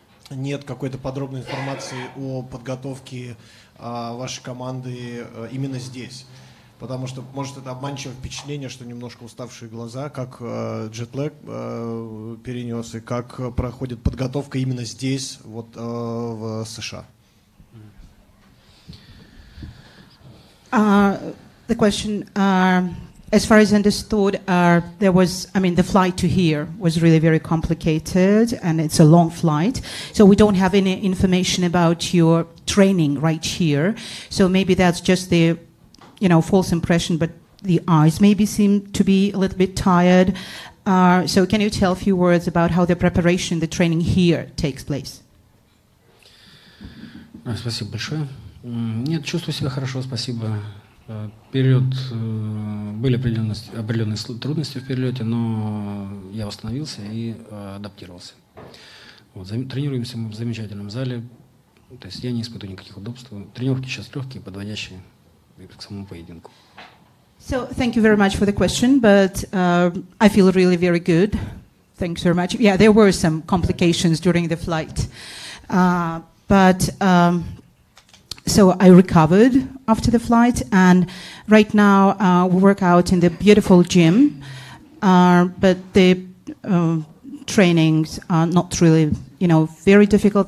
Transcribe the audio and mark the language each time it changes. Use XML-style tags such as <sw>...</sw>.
<ru>Нет какой-то подробной информации о подготовке вашей команды именно здесь. Потому что, может, это обманчивое впечатление, что немножко уставшие глаза, как джетлэг перенес, и как проходит подготовка именно здесь, вот в США.</ru> <en>The question, as far as understood, there was, I mean, the flight to here was really very complicated, and it's a long flight, so we don't have any information about your training right here, so maybe that's just the, you know, false impression, but the eyes maybe seem to be a little bit tired. So can you tell a few words about how the preparation, the training here takes place?</en> <ru>Спасибо большое. Нет, чувствую себя хорошо, спасибо. Перелет, были определенные трудности в перелете, но я восстановился и адаптировался. Вот, тренируемся мы в замечательном зале, то есть я не испытываю никаких удобств. Тренировки сейчас легкие, подводящие.</ru> <en>So thank you very much for the question, but I feel really very good. Thanks very much. Yeah, there were some complications during the flight, but so I recovered after the flight, and right now we work out in the beautiful gym, but the trainings are not really, you know, very difficult.</en>